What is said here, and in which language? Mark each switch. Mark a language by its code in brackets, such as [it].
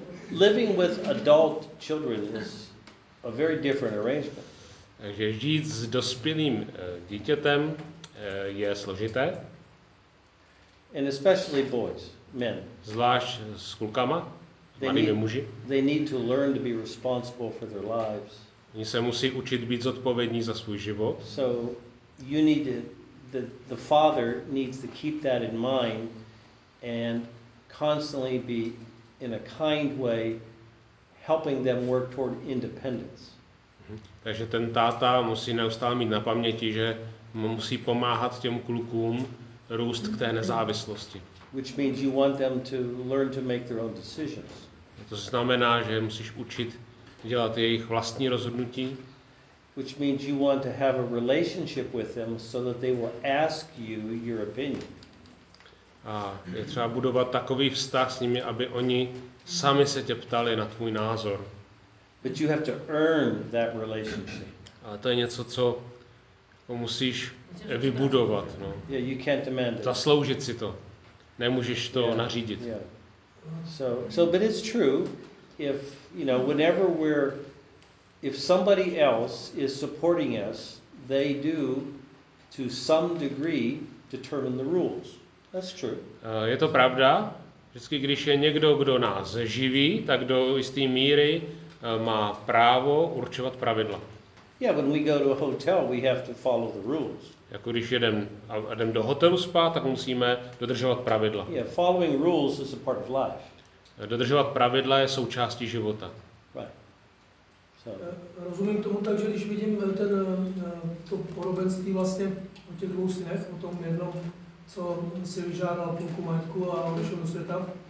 [en] Living with adult children is a very different arrangement. [cs] Takže žít s dospělým dítětem je složité. [en] And especially boys, men. [cs] Zvlášť s klukama, malými muži. [en] They need to learn to be responsible for their lives. [cs] Oni se musí učit být zodpovědní za svůj život. [en] So you need to, the father needs to keep that in mind and constantly be in a kind way helping them work toward independence. [cs] Takže ten táta musí neustále mít na paměti, že musí pomáhat těm klukům růst k té nezávislosti. [en] Which means you want them to learn to make their own decisions. [cs] To znamená, že musíš učit dělat jejich vlastní rozhodnutí. [en] Which means you want to have a relationship with them so that they will ask you your opinion. [cs] A je třeba budovat takový vztah s nimi, aby oni sami se tě ptali na tvůj názor. [en] But you have to earn that relationship. [cs] A to je něco, co musíš vybudovat, no. [en] Yeah, you can't demand it. [cs] Zasloužit si to. Nemůžeš to nařídit. [en] Yeah. So but it's true if, you know, whenever we're if somebody else is supporting us, they do to some degree determine the rules. That's true. [cs] Je to pravda. Vždycky, když je někdo, kdo nás živí, tak do jisté míry má právo určovat pravidla. [en] Yeah, when we go to a hotel, we have to follow the rules. [cs] Jako když jedem do hotelu spát, tak musíme dodržovat pravidla. [en] Yeah, following rules is a part of life. [cs] Dodržovat pravidla je součástí života. [en] Right. So. [cs] Rozumím tomu tak, že když vidím ten to podobenství vlastně o těch dvou synech, o tom jednom, co si vyžádal půlku majetku a odešel do světa,